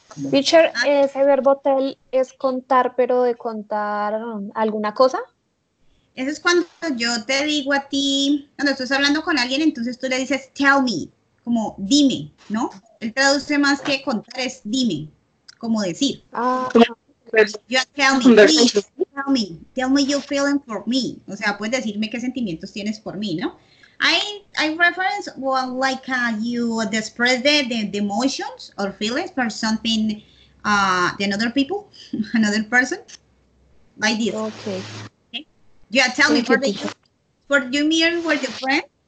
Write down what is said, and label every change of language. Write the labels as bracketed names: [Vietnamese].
[Spanish] Teacher, ese verbo tell es contar, pero de contar alguna cosa. Eso es cuando yo te digo a ti, cuando estás hablando con alguien, entonces tú le dices [English] tell me, [Spanish] como dime, ¿no? Él traduce más que contar es dime, como decir. [English] You tell me, please, tell me, tell me your feeling for me. [Spanish] O sea, puedes decirme qué sentimientos tienes por mí, ¿no? [English] I reference, well, like you express the emotions or feelings for something, the another people, another person, like this. Okay. Yeah, tell me for you mirror with your friend.